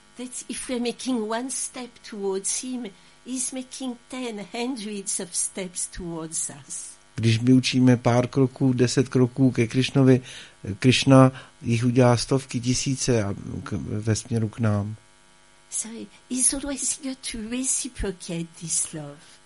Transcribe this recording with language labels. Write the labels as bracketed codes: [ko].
[en] That if we're making one step towards him, he's making 10 hundreds of steps towards us. [cs] Když my učíme pár kroků, 10 kroků ke Krishnovi, Krishna jich udělá stovky, tisíce ve směru k nám. [en] So he's always eager to reciprocate this love.